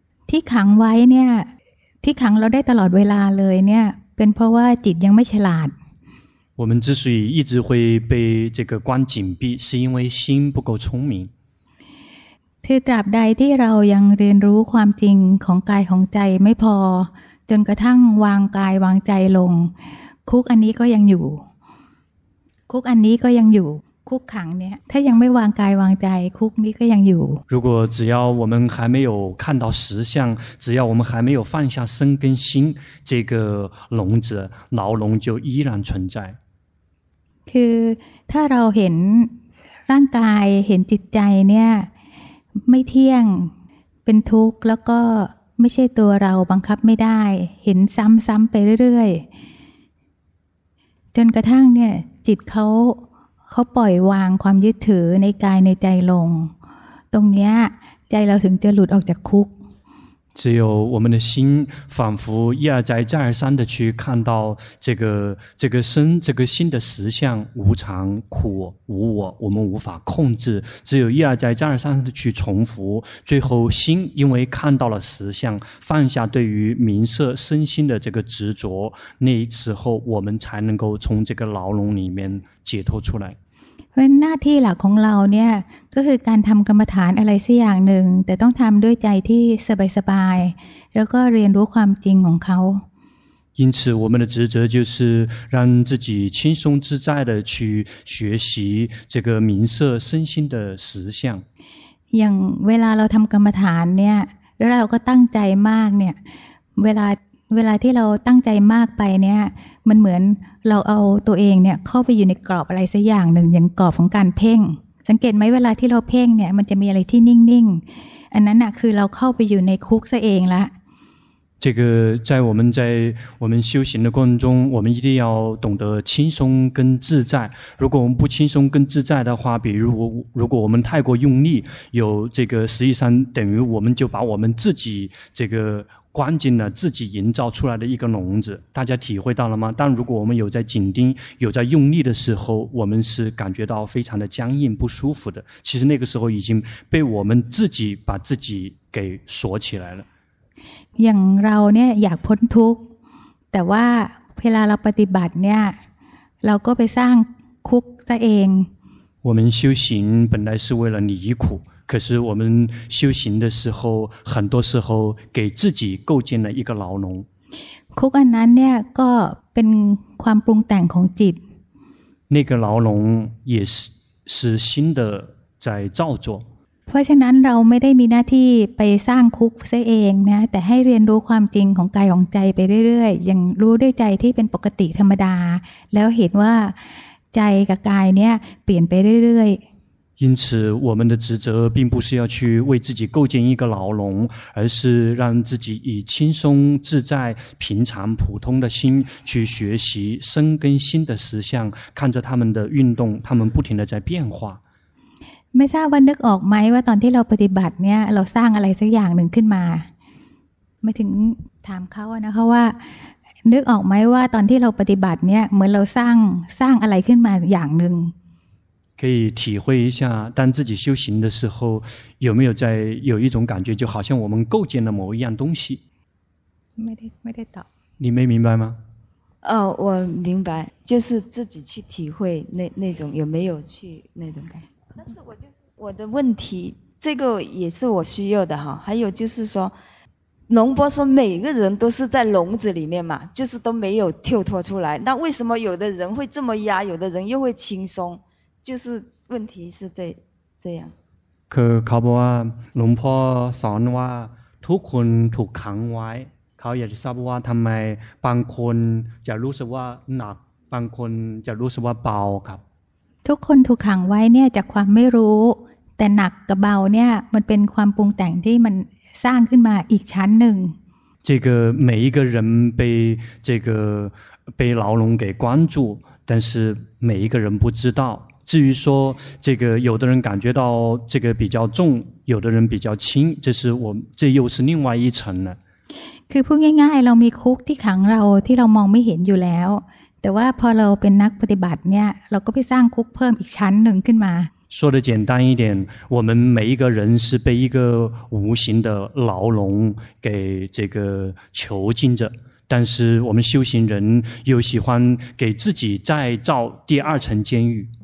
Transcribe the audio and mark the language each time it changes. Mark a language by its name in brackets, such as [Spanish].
[Thai] ที่ขังไว้เนี่ยที่ขังเราได้ตลอดเวลาเลยเนี่ยเป็นเพราะว่าจิตยังไม่ฉลาด [Chinese] 我们之所以一直会被这个关紧闭是因为心不够聪明 [Thai] คือตราบใดที่เรายังเรียนรู้ความจริงของกายของใจไม่พอจนกระทั่งวางกายวางใจลงคุกอันนี้ก็ยังอยู่คุกอันนี้ก็ยังอยู่คุกขังเนี่ยถ้ายังไม่วางกายวางใจคุกนี้ก็ยังอยู่ [Chinese] 如果只要我们还没有看到实相只要我们还没有放下身跟心这个笼子牢笼就依然存在 [Thai] คือถ้าเราเห็นร่างกายเห็นจิตใจเนี่ยไม่เที่ยงเป็นทุกข์แล้วก็ไม่ใช่ตัวเราบังคับไม่ได้เห็นซ้ำๆไปเรื่อยๆจนกระทั่งเนี่ยจิตเขาปล่อยวางความยึดถือในกายในใจลงตรงนี้ใจเราถึงจะหลุดออกจากคุก [Chinese] 只有我们的心仿佛一而再再而三的去看到这个身这个心的实相无常苦无我我们无法控制只有一而再再而三的去重复最后心因为看到了实相放下对于名色身心的这个执着那时候我们才能够从这个牢笼里面解脱出来 [Thai] เป็นหน้าที่หลักของเราเนี่ยก็คือการทำกรรมฐานอะไรสักอย่างหนึ่งแต่ต้องทำด้วยใจที่สบายแล้วก็เรียนรู้ความจริงของเขา [Chinese] 因此我们的职责就是让自己轻松自在的去学习这个名色身心的实相 [Thai] อย่างเวลาเราทำกรรมฐานเนี่ยแล้วเราก็ตั้งใจมากเนี่ยเวลาที่เราตั้งใจมากไปเนี่ยมันเหมือนเราเอาตัวเองเนี่ยเข้าไปอยู่ในกรอบอะไรสักอย่างหนึ่งอย่างกรอบของการเพ่งสังเกตไหมเวลาที่เราเพ่งเนี่ยมันจะมีอะไรที่นิ่งๆอันนั้นน่ะคือเราเข้าไปอยู่ในคุกซะเองละ [Chinese] 这个在我们修行的过程中，我们一定要懂得轻松跟自在。如果我们不轻松跟自在的话，比如如果我们太过用力，有这个实际上等于我们就把我们自己这个关进了自己营造出来的一个笼子。大家体会到了吗？但如果我们有在紧盯、有在用力的时候，我们是感觉到非常的僵硬、不舒服的。其实那个时候已经被我们自己把自己给锁起来了。 [Thai] อย่างเราเนี่ยอยากพ้นทุกข์แต่ว่าเวลาเราปฏิบัติเนี่ยเราก็ไปสร้างคุกซะเอง [Chinese] 我们修行本来是为了离苦可是我们修行的时候很多时候给自己构建了一个牢笼 [Thai] คุกอันนั้นเนี่ยก็เป็นความปรุงแต่งของจิต [Chinese] 那个牢笼也是心的在造作 [Thai] เพราะฉะนั้นเราไม่ได้มีหน้าที่ไปสร้างคุกซะเองนะแต่ให้เรียนรู้ความจริงของกายของใจไปเรื่อยๆอย่างรู้ด้วยใจที่เป็นปกติธรรมดาแล้วเห็นว่าใจกับกายเนี่ยเปลี่ยนไปเรื่อย [Chinese] ๆ因此我们的职责并不是要去为自己构建一个牢笼而是让自己以轻松自在平常普通的心去学习生根心的实相看着他们的运动他们不停地在变化 [Thai] ไม่ทราบว่านึกออกไหมว่าตอนที่เราปฏิบัติเนี่ยเราสร้างอะไรสักอย่างหนึ่งขึ้นมาไม่ถึงถามเขาอะนะคะว่านึกออกไหมว่าตอนที่เราปฏิบัติเนี่ยเหมือนเราสร้างอะไรขึ้นมาอย่างหนึ่ง [Chinese] 可以体会一下当自己修行的时候有没有在有一种感觉就好像我们构建了某一样东西 [Thai] ไม่ได้ตอบ [Chinese] 你没明白吗哦我明白就是自己去体会那种有没有去那种感觉我的问题这个也是我需要的哈还有就是说龙波说每个人都是在笼子里面嘛就是都没有跳脱出来那为什么有的人会这么压有的人又会轻松就是问题是这样可卡波啊龙波说的话 [Thai] ทุกคนถูกขังไว้เขาอยากจะทราบว่าทำไมบางคนจะรู้สึกว่าหนักบางคนจะรู้สึกว่าเบาครับ ทุกคนถูกขังไว้เนี่ยจากความไม่รู้แต่หนักกับเบาเนี่ยมันเป็นความปรุงแต่งที่มันสร้างขึ้นมาอีกชั้นหนึ่ง [Chinese] 这个每一个人被这个被牢笼给关住但是每一个人不知道至于说这个有的人感觉到这个比较重有的人比较轻这又是另外一层了 [Thai] คือพูดง่ายๆเรามีคุกที่ขังเราที่เรามองไม่เห็นอยู่แล้วแต่ว่าพอเราเป็นนักปฏิบัติเนี่ยเราก็ไปสร้างคุกเพิ่มอีกชั้นหนึ่งขึ้นมา [Chinese] 说的简单一点我们每一个人是被一个无形的牢笼给这个囚禁着但是我们修行人又喜欢给自己再造第二层监狱